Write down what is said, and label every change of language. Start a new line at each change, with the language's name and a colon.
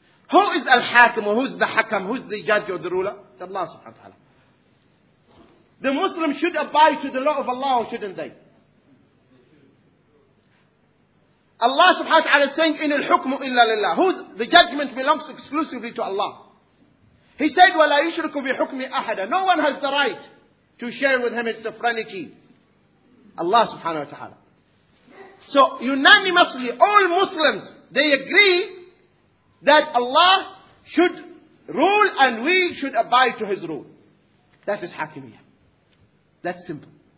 English: Who is al-hakim, or who's the hakam, who's the judge or the ruler? It's Allah subhanahu wa ta'ala. The Muslim should abide to the law of Allah, or shouldn't they? Allah subhanahu wa ta'ala is saying,
Arabic: in al-hukmu illa lillah.
English: The judgment belongs exclusively to Allah. He said,
Arabic: وَلَا يُشْرِكُ بِحُكْمِ أَحَدًا.
English: No one has the right to share with him his sovereignty. Allah subhanahu wa ta'ala. So unanimously, all Muslims, they agree that Allah should rule and we should abide to His rule. That is hakimiyya. That's simple.